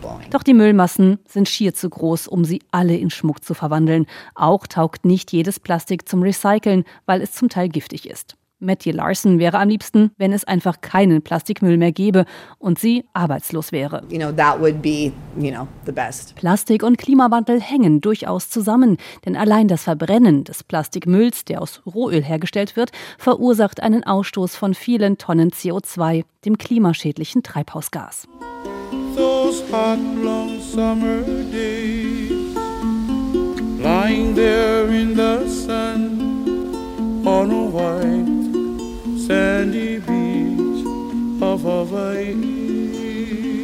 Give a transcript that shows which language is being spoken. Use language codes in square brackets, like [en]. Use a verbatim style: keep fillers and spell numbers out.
[de] Doch die Müllmassen sind schier zu groß, um sie alle in Schmuck zu verwandeln. Auch taugt nicht jedes Plastik zum Recyceln, weil es zum Teil giftig ist. Mattie Larson wäre am liebsten, wenn es einfach keinen Plastikmüll mehr gäbe und sie arbeitslos wäre. [en] You know, that would be, you know, the best. [de] Plastik und Klimawandel hängen durchaus zusammen, denn allein das Verbrennen des Plastikmülls, der aus Rohöl hergestellt wird, verursacht einen Ausstoß von vielen Tonnen C O zwei, dem klimaschädlichen Treibhausgas. [en] Those hot, long summer days, lying there in the sun, on a white, sandy beach of Hawaii.